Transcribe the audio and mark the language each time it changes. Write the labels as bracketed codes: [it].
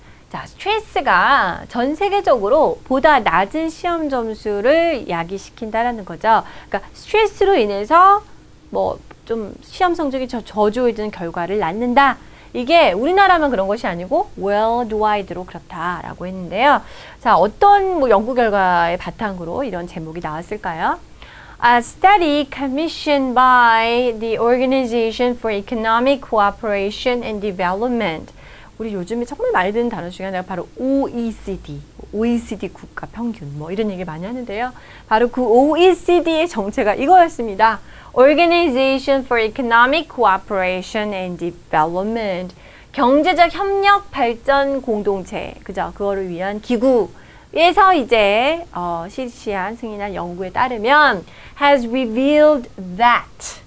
[ko] 자, 스트레스가 전 세계적으로 보다 낮은 시험 점수를 야기시킨다라는 거죠. 그러니까 스트레스로 인해서 뭐 좀 시험 성적이 저조해지는 결과를 낳는다. 이게 우리나라만 그런 것이 아니고 worldwide로 그렇다라고 했는데요. 자, 어떤 뭐 연구 결과의 바탕으로 이런 제목이 나왔을까요? [en] A study commissioned by the Organization for Economic Cooperation and Development. [ko] 우리 요즘에 정말 많이 듣는 단어 중에 하나가 바로 OECD, OECD 국가 평균 뭐 이런 얘기 많이 하는데요. 바로 그 OECD의 정체가 이거였습니다. Organization for Economic Cooperation and Development. 경제적 협력 발전 공동체. 그죠? 그거를 위한 기구에서 이제 실시한 승인한 연구에 따르면 [en] has revealed that.